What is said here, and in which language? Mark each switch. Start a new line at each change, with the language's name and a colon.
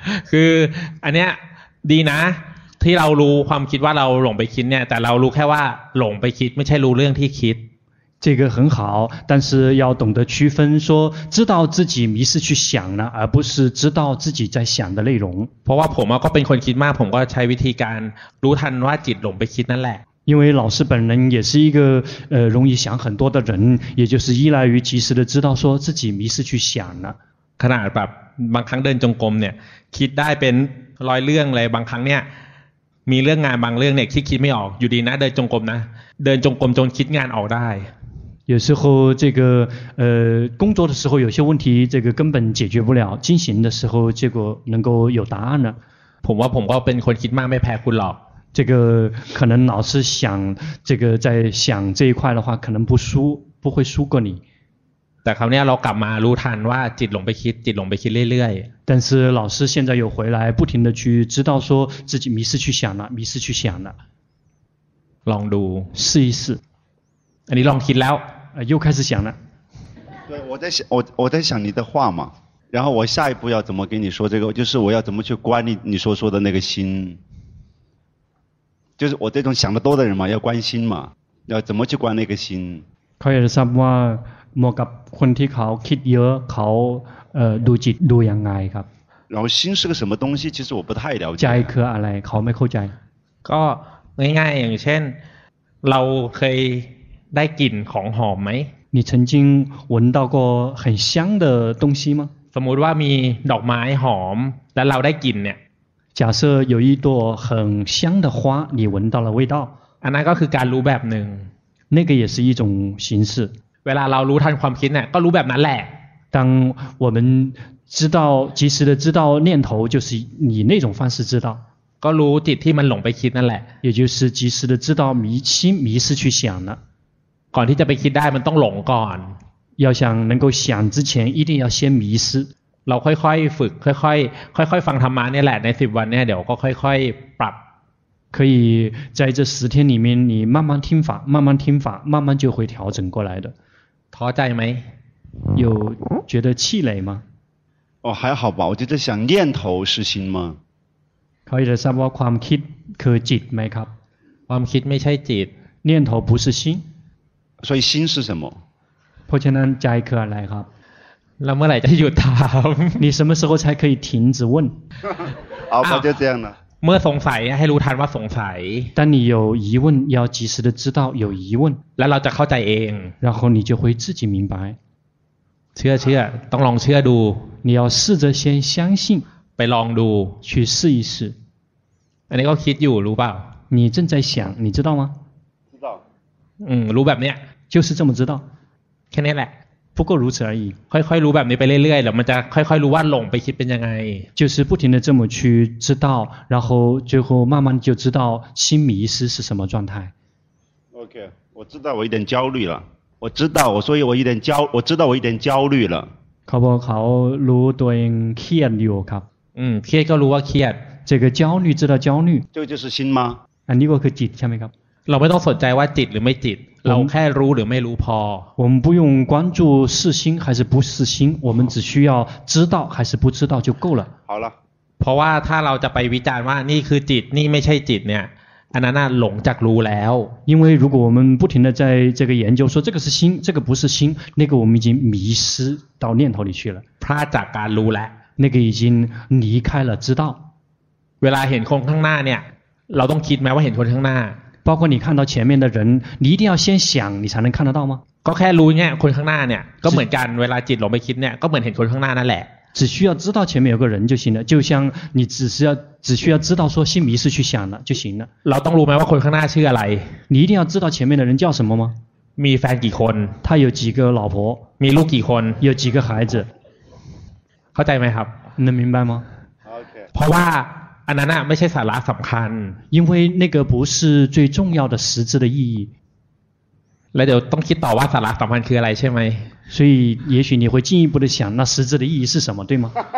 Thai: คืออันเนี้ยดีนะที่เรารู้ความคิดว่าเราหลงไปคิดเนี่ยแต่เรารู้แค่ว่าหลงไปคิดไม่ใช่รู้เรื่องที่คิด
Chinese: 这个很好但是要懂得区分说知道自己迷失去想了而不是知道自己在想的内容
Thai: เพราะว่าผมก็เป็นคนคิดมากผมก็ใช้วิธีการรู้ทันว่าจิตหลงไปคิดนั่นแหละ
Chinese: 因为老师本人也是一个容易想很多的人也就是依赖于及时的知道说自己迷失去想了
Thai: ขนาดแบบบางครั้งเดินจงกรมเนี่ยคิดได้เป็นร้อยเรื่องเลยบางครั้งเนี่ยมีเรื่องงานบางเรื่องเนี่ยที่คิดไม่ออกอยู่ดีนะเดินจงกรมนะเดินจงกรมจนคิดงานออกได้
Chinese: 有时候这个工作的时候有些问题这个根本解决不了进行的时候结果能够有答案了
Thai: ผมว่าผมก็เป็นคนคิดมากไม่แพ้คุณหรอก
Chinese: 这个可能老是想这个在想这一块的话可能不会输过你
Thai: แต่คราวนี้เรากลับมารู้ทันว่าจิตหลงไปคิดจิตหลงไปคิดเรื่อย
Chinese: ๆ但是老师现在有回来不停的去知道说自己迷失去想了迷失去想了
Thai: ลองดู
Chinese: 试一试
Thai: อันนี้ลองคิดแล้ว
Chinese: 又开始想了对我在想 我在想你的话嘛然后我下一步要怎么跟你说这个就是我要怎么去关你说的那个心就是我这种想得多的人嘛要关心嘛要怎么去关那个心
Thai: เขาจะทราบว่าเหมาะกับคนที่เขาคิดเยอะเขาดูจิตดูยังไงครับ
Chinese: 然后心是个什么东西其实我不太了
Thai: 解ใจคืออะไรเขาไม่เข้าใจ ก็ง่ายๆอย่างเช่นเราเคยได้กลิ่นของหอมไหม
Chinese: 你曾经闻到过很香的东西吗
Thai: สมมุติว่ามีดอกไม้หอมแล้วเราได้กลิ่นเนี่ย
Chinese: 假设有一朵很香的花你闻到了味道
Thai: อันนั้นก็คือการรู้แบบนึง
Chinese: 那个也是一种形式
Thai: เวลาเรารู้ทันความคิดเนี่ยก็รู้แบบนั้นแหละ
Chinese: 当我们知道及时的知道念头就是以那种方式知道
Thai: ก็รู้จิตที่มันหลงไปคิดนั่นแหละ
Chinese: 也就是及时的知道迷失去想了
Thai: ก่อนที่จะไปคิดได้มันต้องหลงก่อน
Chinese: 要想能够想之前一定要先迷失
Thai: เราค่อยๆฝึกค่อยๆฟังธรรมะเนี่ยแหละใน10วันเนี่ยเดี๋ยวก็ค่อยๆปรับ
Chinese: 可以在这十天里面你慢慢听法慢慢听法慢慢就会调整过来的
Thai: ท้อใจไหม
Chinese: 有觉得气馁吗哦还好吧我就在想念头是心吗可以的
Thai: ทราบว่าความคิดคือจิตไหมครับ ความคิดไม่ใช่จิต
Chinese: 念头不是心所以心是什么
Thai: เพราะฉะนั้นใจคืออะไรครับ แล้วเมื่อไหร่จะหยุดถาม
Chinese: 你什么时候才可以停止问
Thai: เอา
Chinese: ก็就这样了
Thai: เมื่อสงสัยให้รู้ทันว่าสงสัย
Chinese: 当你有疑问要及时的知道有疑问
Thai: แล้วเราจะเข้าใจเอง
Chinese: 然后你就会自己明白
Thai: เชื่อต้องลองเชื่อดู
Chinese: 你要试着先相信
Thai: ไปลองดู
Chinese: 去试一试
Thai: อันนี้ก็คิดอยู่รู้เปล่า
Chinese: 你正在想你知道吗
Thai: รู้แบบเนี้ย
Chinese: 就是这么知道
Thai: แค่นี้แหละ
Chinese: 不过如此而已
Thai: ค่อยๆรู้แบบนี้ไปเรื่อยๆแล้วมันจะค่อยๆรู้ว่าหลงไปคิดเป็นยังไง
Chinese: 就是不停的这么去知道然后最后慢慢就知道心迷失是什么状态 OK 我知道我有点焦虑了我知道所以我知道我有点焦虑了
Thai: เขาบอกเขารู้ตัวเองเครียดอยู่ครับ เครียดก็รู้ว่าเครียด
Chinese: 这个焦虑知道焦虑这个就是心吗
Thai: อันนี้ก็คือจิตใช่ไหมครับ เราไม่ต้องสนใจว่าจิตหรือไม่จิตเราแค่รู้หรือไม่รู้พอ
Chinese: 我们不用关注是心还是不是心我们只需要知道还是不知道就够了好了
Thai: เพราะว่าถ้าเราจะไปวิจารณ์ว่านี่คือจิตนี่ไม่ใช่จิตเนี่ยอันนั้นหลงจากรู้แล้ว
Chinese: 因为如果我们不停的在这个研究说这个是心这个不是心那个我们已经迷失到念头里去了
Thai: พลาดจากการรู้แล้ว
Chinese: 那个已经离开了知道
Thai: เวลาเห็นคนข้างหน้าเนี่ยเราต้องคิดไหมว่าเห็นคนข้างหน้า
Chinese: 包括你看到前面的人你一定要先想你才能看得到吗
Thai: ก็แค่รู้เนี่ยคนข้างหน้าเนี่ยก็เหมือนกันเวลาจิตหลงไปคิดเนี่ยก็เหมือนเห็นคนข้างหน้านั่นแหละ
Chinese: 只需要知道前面有个人就行了就像你只需要知道说心迷失去想了就行了
Thai: เราต้องรู้ไหมว่าคนข้างหน้าชื่ออะไร
Chinese: 你一定要知道前面的人叫什么吗
Thai: มีแฟนกี่คน
Chinese: 他有几个老婆
Thai: มีลูกกี่คน
Chinese: 有几个孩子
Thai: เข้าใจไหมครับ
Chinese: 能明白吗
English: okay.
Thai: เพราะว่าอันนั้นไม่ใช่สาระสำคัญ
Chinese: 因为那个不是最重要的实质的意义
Thai: แล้วเดี๋ยวต้องคิดต่อว่าสาระสำคัญคืออะไรใช่ไหม
Chinese: 所以也许你会进一步的想那实质的意义是什么对吗